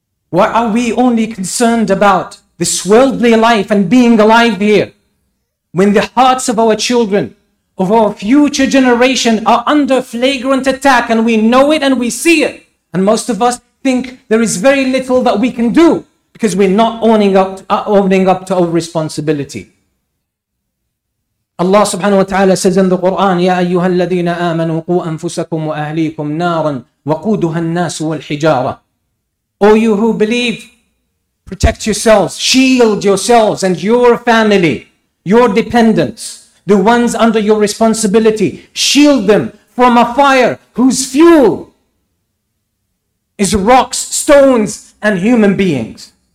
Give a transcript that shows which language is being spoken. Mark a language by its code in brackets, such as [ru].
[en] Why are we only concerned about this worldly life and being alive here when the hearts of our children, of our future generation, are under flagrant attack, and we know it and we see it? And most of us think there is very little that we can do because we're not owning up to our responsibility. Allah subhanahu wa ta'ala says in the Quran, [ar] يَا أَيُّهَا الَّذِينَ آمَنُوا قُوا أَنفُسَكُمْ وَأَهْلِيكُمْ نَارًا وَقُودُهَا النَّاسُ وَالْحِجَارَةُ. [en] All you who believe, protect yourselves, shield yourselves and your family, your dependents, the ones under your responsibility, shield them from a fire whose fuel is rocks, stones, and human beings.